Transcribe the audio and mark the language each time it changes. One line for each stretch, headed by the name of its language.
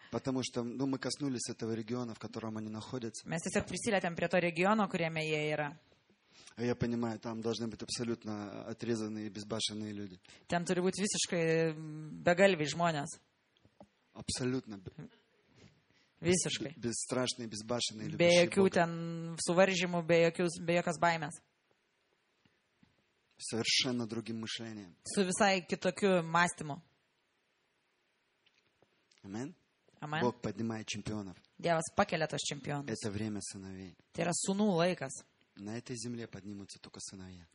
Russian: Потому что, ну, мы коснулись этого региона, в котором они находятся.
Lithuanian: Mes tiesiog prisilietėm prie to regiono, kuriame jie yra.
Russian: Я понимаю, там должны быть абсолютно отрезанные, безбашенные люди.
Lithuanian: Ten turi būti visiškai begalviai žmonės.
Russian: Абсолютно.
Lithuanian: Visiškai.
Russian: Бесстрашные, безбашенные, любящие Бога.
Lithuanian: Be jokių ten suvaržymų, be jokios baimės. Совершенно другим мышлением. Su visai kitokiu mąstymu. Amen. Amen.
Russian: Бог поднимает чемпионов.
Lithuanian: Dievas pakelia tos čempionus.
Russian: Это время сыновей.
Lithuanian: Tai yra sūnų laikas.
Russian: На этой земле поднимутся только сыновья.